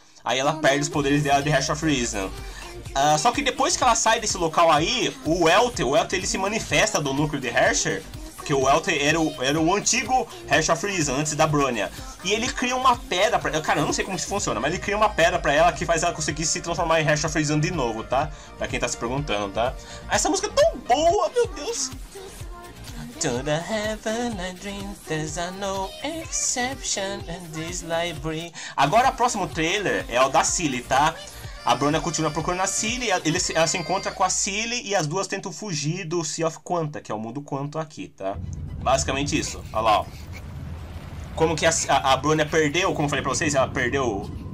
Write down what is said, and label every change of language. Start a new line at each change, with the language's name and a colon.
Portuguese: Aí ela perde os poderes dela de Hersher Freeza. Só que depois que ela sai desse local aí, o Welter, ele se manifesta do núcleo de Hersher, porque o Welter era o antigo Hersher Freeza, antes da Brônia. E ele cria uma pedra pra ela, cara, eu não sei como isso funciona, mas ele cria uma pedra pra ela que faz ela conseguir se transformar em Hersher Freeza de novo, tá? Pra quem tá se perguntando, tá? Essa música é tão boa, meu Deus!
English: To the heaven I dream, there's no exception in this library.
Portuguese: Agora o próximo trailer é o da Cilly, tá? A Brônia continua procurando a Cilly, ela se encontra com a Cilly e as duas tentam fugir do Sea of Quanta, que é o mundo Quanto aqui, tá? Basicamente isso, olha lá, ó. Como que a Brônia perdeu, como eu falei pra vocês, ela perdeu...